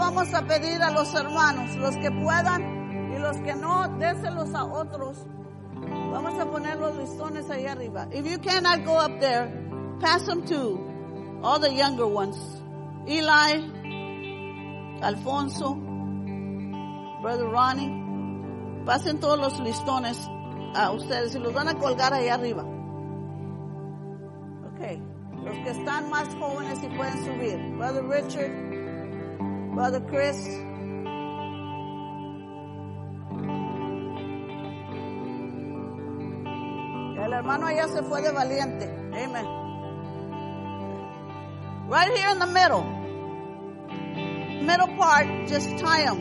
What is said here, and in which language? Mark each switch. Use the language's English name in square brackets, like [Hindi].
[Spanish] A pedir a los hermanos, los que puedan y los que no, déselos a otros. Vamos a poner los listones ahí arriba. [English] If you cannot go up there, pass them to all the younger ones. [Spanish] Eli, Alfonso, Brother Ronnie, pasen todos los listones a ustedes y los van a colgar ahí arriba. Okay, los que están más jóvenes y pueden subir. Brother Richard, Brother Chris, el hermano allá se fue de valiente. Amen. [English] Right here in the middle part, just tie them.